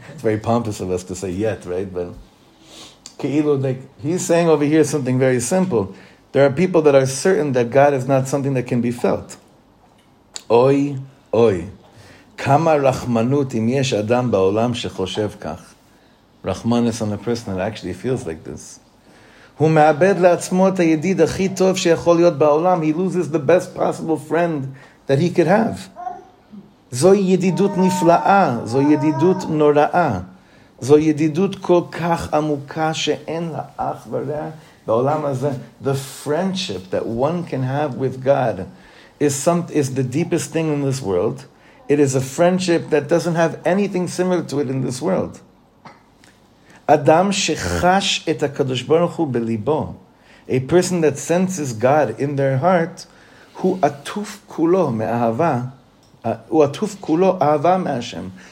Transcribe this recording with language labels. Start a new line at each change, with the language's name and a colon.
English: It's very pompous of us to say yet, right? But Keilu, like, he's saying over here something very simple. There are people that are certain that God is not something that can be felt. Oy, oy.
Hebrew: Kama rachmanut im yesh adam ba'olam shechoshev kach.
English: Rachman is on a person that actually feels like this.
Hebrew: הוא מאבד לעצמו את הידיד הכי טוב שיכול להיות בעולם.
English: He loses the best possible friend that he could have.
Hebrew: זוהי ידידות נפלאה, זו ידידות נוראה. זו ידידות כל כך עמוקה שאין לה אח ורע בעולם הזה.
English: The friendship that one can have with God is the deepest thing in this world. It is a friendship that doesn't have anything similar to it in this world.
Hebrew: Adam shechash et HaKadosh Baruch Hu belibo,
English: a person that senses God in their heart,
Hebrew: hu atuf kulo me'ahava, hu atuf kulo ahava me'ashem.